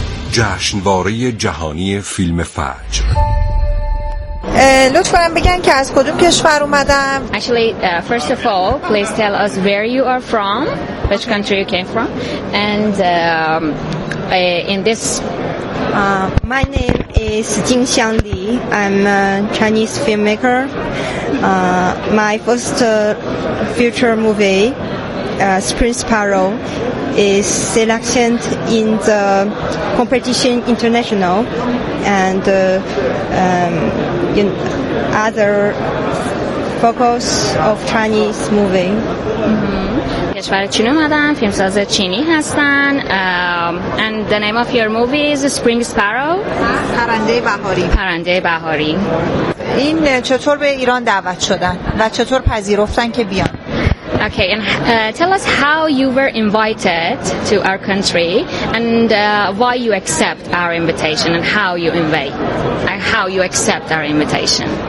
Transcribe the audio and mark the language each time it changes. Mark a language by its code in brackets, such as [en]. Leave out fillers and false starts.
[fa] جشنواره جهانی فیلم فجر. لطفاً بگن که از کدوم کشور اومدم. [en] Actually, first of all, please tell us where you are from, which country you came from, and in this. My name is Jing Xiangli. I'm a Chinese filmmaker. My first feature movie, Spring Sparrow, is selected in the competition international and in other focus of Chinese movie. [fa] کشور چین اومدن، فیلمساز چینی هستن. [en] And the name of your movie is Spring Sparrow. [fa] پرنده بهاری. پرنده بهاری. این چطور به ایران دعوت شدن و چطور پذیرفتن که بیان؟ [en] Okay, and tell us how you were invited to our country and why you accept our invitation and how you invite and how you accept our invitation.